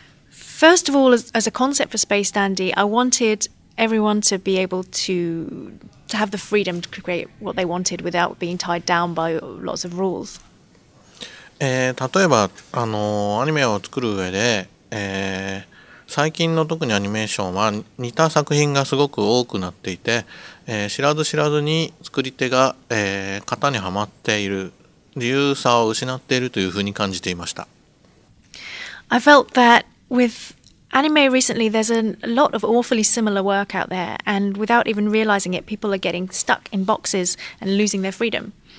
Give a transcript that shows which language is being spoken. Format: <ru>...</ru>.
<en>First of all, as a concept for Space Dandy, I wanted everyone to be able to have the freedom to create what they wanted without being tied down by lots of rules.</en> <ja>例えばアニメを作る上で、最近の特にアニメーションは似た作品がすごく多くなっていて、知らず知らずに作り手が、型にはまっている、自由さを失っているというふうに感じていました。</ja> <en>I felt that with anime recently there's a lot of awfully similar work out there, and without even realizing it, people are getting stuck in boxes and losing their freedom.</en>